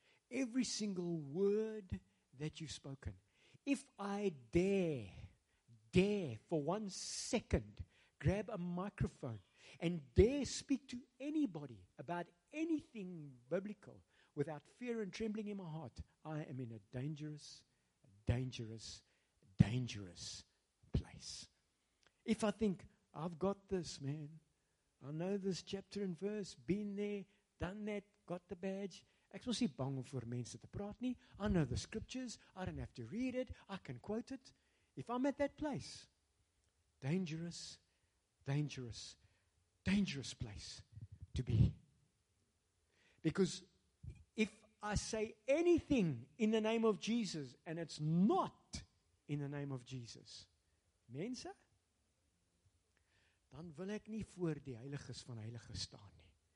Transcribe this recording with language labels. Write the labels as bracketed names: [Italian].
[English] Every single word that you've spoken. If I dare for 1 second grab a microphone and dare speak to anybody about anything biblical without fear and trembling in my heart, I am in a dangerous, dangerous, dangerous place. If I think, I've got this, man. I know this chapter and verse, been there, done that, got the badge. [Afrikaans] Ek wil nie bang vir mense te praat nie. [English] I know the scriptures, I don't have to read it, I can quote it. If I'm at that place, dangerous, dangerous, dangerous place to be. Because if I say anything in the name of Jesus and it's not in the name of Jesus, [Afrikaans] mense, dan wil ek nie voor die heiliges van heiliges staan nie.